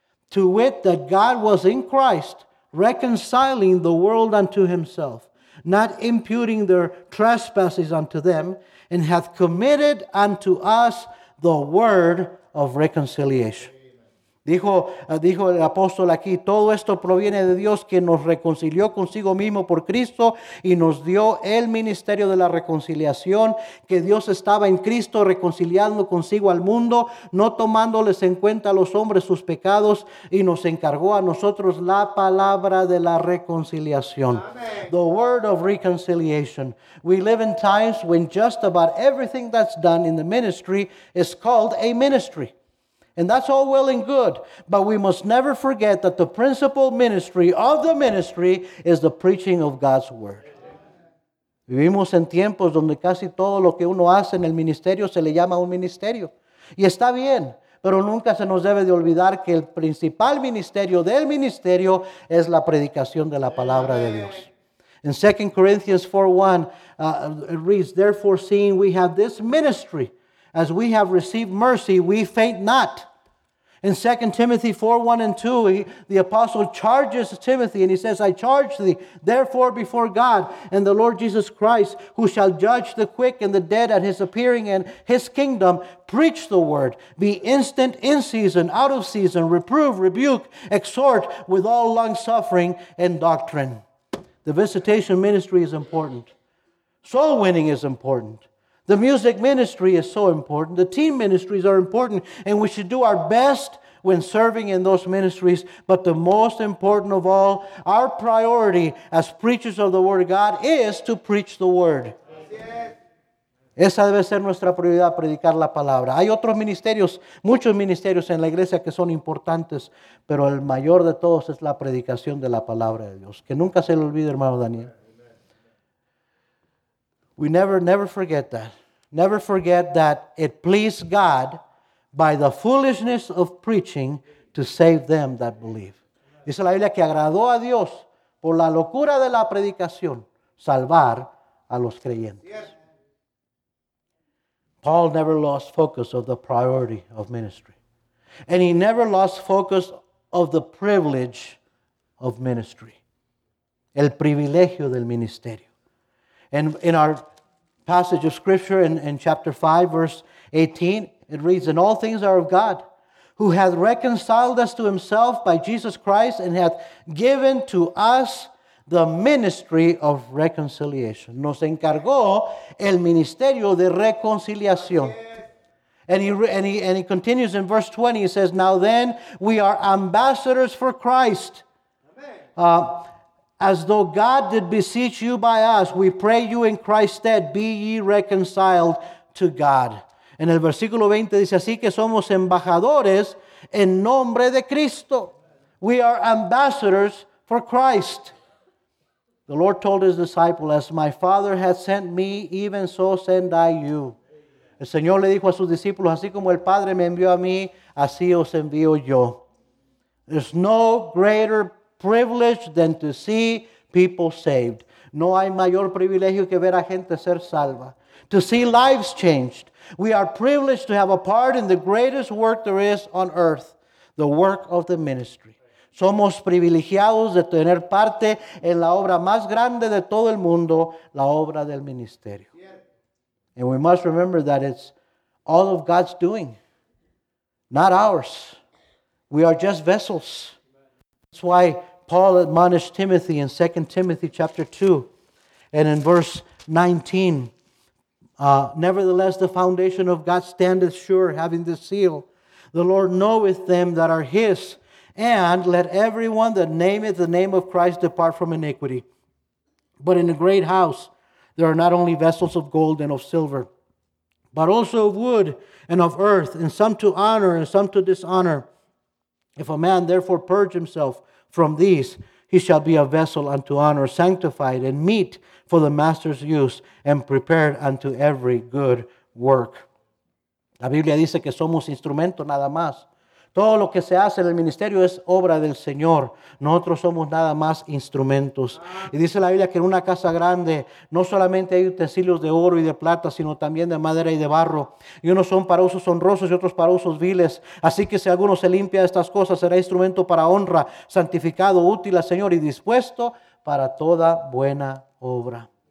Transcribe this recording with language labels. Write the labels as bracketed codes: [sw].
[en] To wit, that God was in Christ, reconciling the world unto himself, not imputing their trespasses unto them, and hath committed unto us the word of reconciliation." [es] Dijo el apóstol aquí, todo esto proviene de Dios, quien nos reconcilió consigo mismo por Cristo y nos dio el ministerio de la reconciliación, que Dios estaba en Cristo reconciliando consigo al mundo, no tomándoles en cuenta a los hombres sus pecados, y nos encargó a nosotros la palabra de la reconciliación. Amen. [en] The word of reconciliation. We live in times when just about everything that's done in the ministry is called a ministry. And that's all well and good, but we must never forget that the principal ministry of the ministry is the preaching of God's word. [es] Vivimos en tiempos donde casi todo lo que uno hace en el ministerio se le llama un ministerio. Y está bien, pero nunca se nos debe de olvidar que el principal ministerio del ministerio es la predicación de la palabra de Dios. [en] In 2 Corinthians 4:1, it reads, "Therefore, seeing we have this ministry, as we have received mercy, we faint not." In 2 Timothy 4:1-2, the apostle charges Timothy and he says, "I charge thee, therefore, before God and the Lord Jesus Christ, who shall judge the quick and the dead at his appearing and his kingdom, preach the word, be instant in season, out of season, reprove, rebuke, exhort with all longsuffering and doctrine." The visitation ministry is important. Soul winning is important. The music ministry is so important. The team ministries are important. And we should do our best when serving in those ministries. But the most important of all, our priority as preachers of the Word of God is to preach the Word. [es] Esa debe ser nuestra prioridad, predicar la palabra. Hay otros ministerios, muchos ministerios en la iglesia que son importantes. Pero el mayor de todos es la predicación de la palabra de Dios. Que nunca se le olvide, hermano Daniel. [en] We never forget that. Never forget that it pleased God by the foolishness of preaching to save them that believe. [es] Dice la Biblia que agradó a Dios por la locura de la predicación salvar a los creyentes. [en] Paul never lost focus of the priority of ministry. And he never lost focus of the privilege of ministry. [es] El privilegio del ministerio. [en] And in our passage of scripture in chapter 5, verse 18, it reads, "And all things are of God, who hath reconciled us to himself by Jesus Christ, and hath given to us the ministry of reconciliation." [es] Nos encargó el ministerio de reconciliación. [en] And he continues in verse 20, he says, "Now then, we are ambassadors for Christ. As though God did beseech you by us, we pray you in Christ's stead, be ye reconciled to God." [es] En el versículo 20 dice, "Así que somos embajadores en nombre de Cristo." [en] We are ambassadors for Christ. The Lord told his disciple, "As my Father hath sent me, even so send I you." [es] El Señor le dijo a sus discípulos, "Así como el Padre me envió a mí, así os envío yo." [en] There's no greater privilege than to see people saved. [es] No hay mayor privilegio que ver a gente ser salva. [en] To see lives changed. We are privileged to have a part in the greatest work there is on earth, the work of the ministry. [es] Somos privilegiados de tener parte en la obra más grande de todo el mundo, la obra del ministerio. [en] And we must remember that it's all of God's doing, not ours. We are just vessels. That's why Paul admonished Timothy in 2 Timothy chapter 2 and in verse 19. Nevertheless, the foundation of God standeth sure, having this seal. The Lord knoweth them that are his. And let everyone that nameth the name of Christ depart from iniquity. But in a great house there are not only vessels of gold and of silver, but also of wood and of earth, and some to honor and some to dishonor. If a man therefore purge himself from these, he shall be a vessel unto honor, sanctified and meet for the master's use, and prepared unto every good work. [es] La Biblia dice que somos instrumentos nada más. Todo lo que se hace en el ministerio es obra del Señor. Nosotros somos nada más instrumentos. Y dice la Biblia que en una casa grande no solamente hay utensilios de oro y de plata, sino también de madera y de barro. Y unos son para usos honrosos y otros para usos viles. Así que si alguno se limpia de estas cosas, será instrumento para honra, santificado, útil al Señor y dispuesto para toda buena obra.